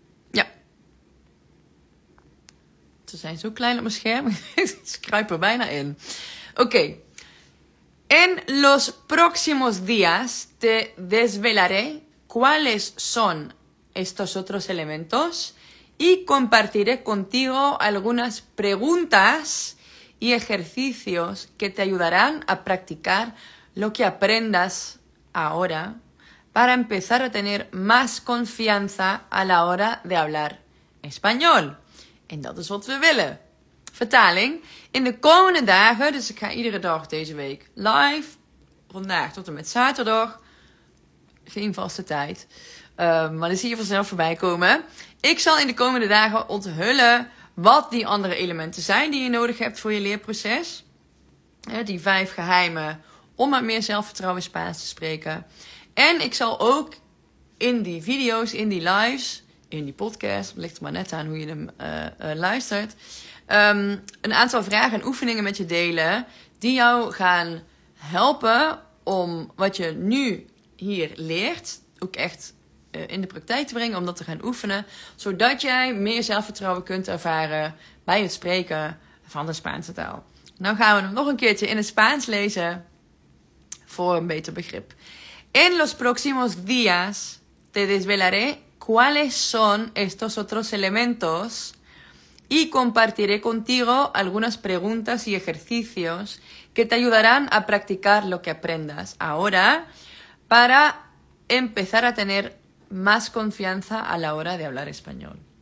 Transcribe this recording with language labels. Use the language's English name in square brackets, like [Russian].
[Dutch] Ja. Ze zijn zo klein op mijn scherm. Ik kruip er bijna in. Oké. Okay. [Spanish] En los próximos días te desvelaré cuáles son estos otros elementos y compartiré contigo algunas preguntas y ejercicios que te ayudarán a practicar lo que aprendas ahora para empezar a tener más confianza a la hora de hablar español. [Dutch] En dat is wat we willen. Vertaling. In de komende dagen, dus ik ga iedere dag deze week live, vandaag tot en met zaterdag, geen vaste tijd, maar dan zie je vanzelf voorbij komen. Ik zal in de komende dagen onthullen wat die andere elementen zijn die je nodig hebt voor je leerproces. Die vijf geheimen om met meer zelfvertrouwen Spaans te spreken. En ik zal ook in die video's, in die lives, in die podcast, ligt er maar net aan hoe je hem luistert, een aantal vragen en oefeningen met je delen die jou gaan helpen om wat je nu hier leert ook echt in de praktijk te brengen, om dat te gaan oefenen, zodat jij meer zelfvertrouwen kunt ervaren bij het spreken van de Spaanse taal. Nou gaan we hem nog een keertje in het Spaans lezen voor een beter begrip. [Spanish] En los próximos días te desvelaré cuáles son estos otros elementos y compartiré contigo algunas preguntas y ejercicios que te ayudarán a practicar lo que aprendas ahora para empezar a tener más confianza a la hora de hablar español.